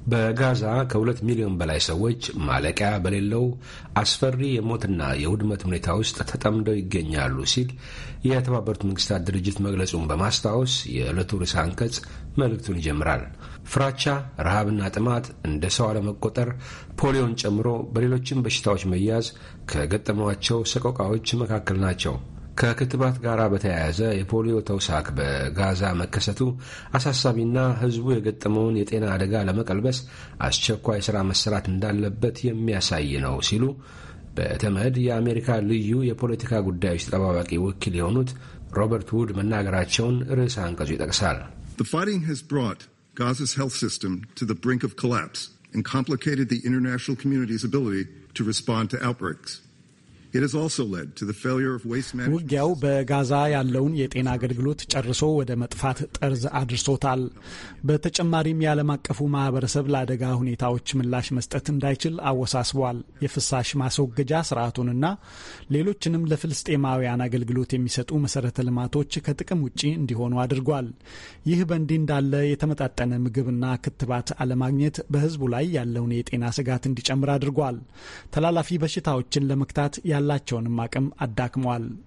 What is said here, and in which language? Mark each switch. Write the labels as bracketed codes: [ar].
[am] በጋዛ ከሁለት ሚሊዮን በላይ ሰዎች ማለቂያ በሌለው አስፈሪ የሞትና የውድመት ሁኔታ ውስጥ ተጠምደው ይገኛሉ ሲል የተባበሩት መንግስታት ድርጅት መግለጹን በማስታወስ የዕለቱ ርዕሰ አንቀጽ መልእክቱን ይጀምራል። ፍራቻ፣ ረሃብና ጥማት፣ እንደ ሰው አለመቆጠር፣ ፖሊዮን ጨምሮ በሌሎችም በሽታዎች መያዝ ከገጠሟቸው ሰቆቃዎች መካከል ናቸው። ከክትባት ጋር በተያያዘ የፖሊዮ ተውሳክ በጋዛ መከሰቱ አሳሳቢና ህዝቡ የገጠመውን የጤና አደጋ ለመቀልበስ አስቸኳይ ሥራ መሰራት እንዳለበት የሚያሳይ ነው ሲሉ በተመድ የአሜሪካ ልዩ የፖለቲካ ጉዳዮች ተጠባባቂ ወኪል የሆኑት ሮበርት ውድ መናገራቸውን ርዕሰ አንቀጹ ይጠቅሳል። [en] The fighting has brought Gaza's health system to the brink of collapse and complicated the international community's ability to respond to outbreaks. It has also led to the failure of waste management. [am] ውጊያው በጋዛ ያለውን የጤና አገልግሎት ጨርሶ ወደ መጥፋት ጠርዝ አድርሶታል። በተጨማሪም የዓለም አቀፉ ማህበረሰብ ለአደጋ ሁኔታዎች ምላሽ መስጠት እንዳይችል አወሳስቧል። የፍሳሽ ማስወገጃ ስርዓቱንና ሌሎችንም ለፍልስጤማውያን አገልግሎት የሚሰጡ መሰረተ ልማቶች ከጥቅም ውጪ እንዲሆኑ አድርጓል። ይህ በእንዲህ እንዳለ የተመጣጠነ ምግብና ክትባት አለማግኘት በህዝቡ ላይ ያለውን የጤና ስጋት እንዲጨምር አድርጓል። ተላላፊ በሽታዎችን ለመክታት ያላቸውን ማቀም አዳክመዋል።